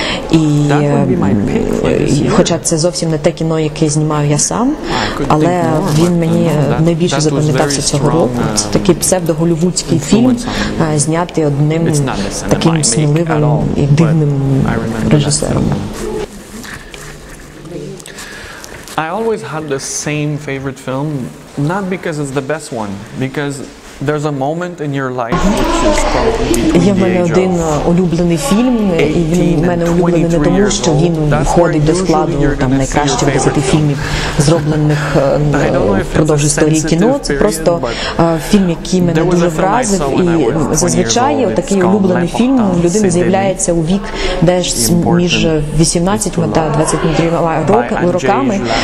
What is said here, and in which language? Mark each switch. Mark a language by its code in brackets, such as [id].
[uk] І хоча це зовсім не те кіно, яке знімаю я сам, але він мені найбільше запам'ятався цього року. Це такий псевдоголівудський фільм, знятий одним таким сміливим і дивним режисером. [en] I always had the same favorite film, not because it's the best one, because there's a moment in your life which is probably [uk] один улюблений фільм, і він у мене улюблений не тому, що він входить до складу там найкращих 10 фільмів, зроблених впродовж історії кіно. Це просто фільм, який мене дуже вразив, і зазвичай такий улюблений фільм у людини з'являється у вік десь між 18 та 23 роками.